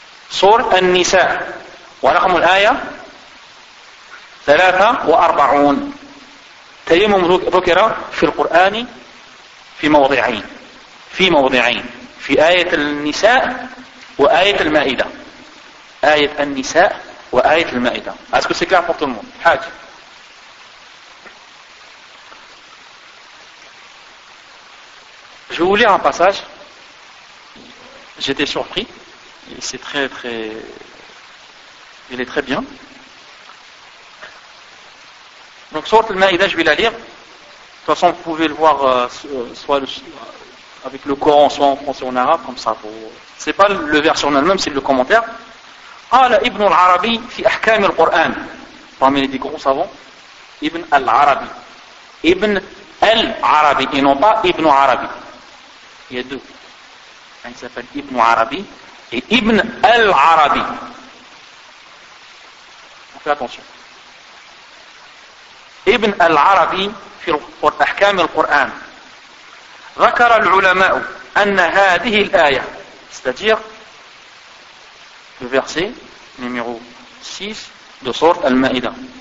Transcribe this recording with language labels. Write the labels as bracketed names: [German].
[Arabic] سورة النساء ورقم الآية 43. تيمم ذكر في القرآن في موضعين. في موضعين. في آية النساء وآية المائدة. آية النساء وآية المائدة. [French] Est-ce que c'est clair pour tout le monde? [Arabic] حاج. [French] Je vais vous lire un passage. J'étais surpris. C'est très, très. Il est très bien. Donc, sur المائدة, je vais la lire. De toute façon, vous pouvez le voir soit le. Avec le Coran, soit en français ou en arabe, comme ça. C'est pas le verset en elle-même, c'est le commentaire. [Arabic] قال ابن العربي في أحكام القرآن. [French] Parmi les gros savants, ابن العربي. ابن العربي, et non pas ابن عربي. Il y a deux. Un s'appelle ابن عربي et ابن العربي. Fais attention. [Arabic] ابن العربي في أحكام القرآن. ذكر العلماء أن هذه الآية استجير [French] le verset numéro 6 de sourate Al-Ma'ida.